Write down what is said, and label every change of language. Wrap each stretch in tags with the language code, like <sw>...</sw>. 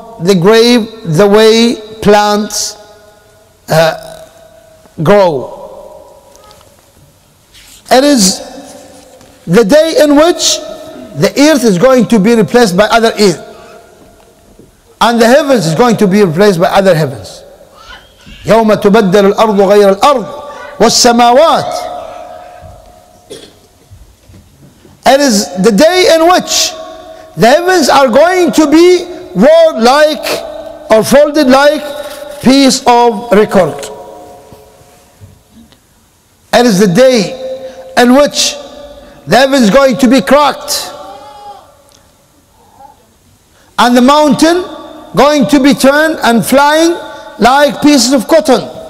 <en>the grave the way plants grow. It is the day in which the earth is going to be replaced by other earth, and the heavens is going to be replaced by other heavens.</en> <ar>يوم تبدل الأرض غير الأرض والسماوات.</ar> <en>It is the day in which the heavens are going to be rolled like or folded like piece of record. It is the day in which the heavens is going to be cracked and the mountain going to be turned and flying like pieces of cotton.</en>